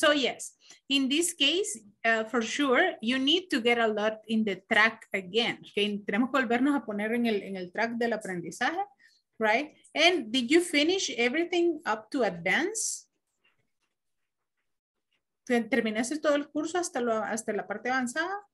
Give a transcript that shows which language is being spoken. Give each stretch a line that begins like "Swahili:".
English: So yes, in this case, for sure, you need to get a lot in the track again.
Spanish: Okay, tenemos que volvernos a poner en el track del aprendizaje.
English: Right? And did you finish everything up to advance?
Spanish: ¿Terminaste todo el curso hasta la parte avanzada?